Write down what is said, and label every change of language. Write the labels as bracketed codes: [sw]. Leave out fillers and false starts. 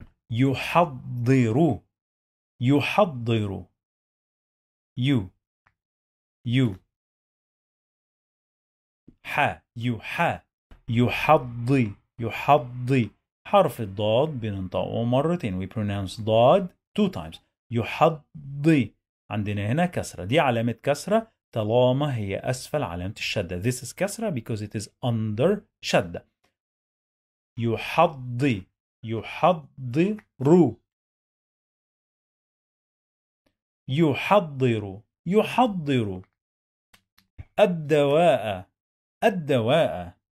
[ar] يحضر. يحضر. يو. يو. ح. يح. يحضي. يحضي. حرف الضاد بننطقه مرتين. [en] We pronounce ضاد two times. [ar] يحضي. عندنا هنا كسرة. دي علامة كسرة طالما هي أسفل علامة الشدة. [en] This is كسرة because it is under شدة. [ar] يحضي. يحضرو. يحضرو. يحضرو. الدواء. الدواء.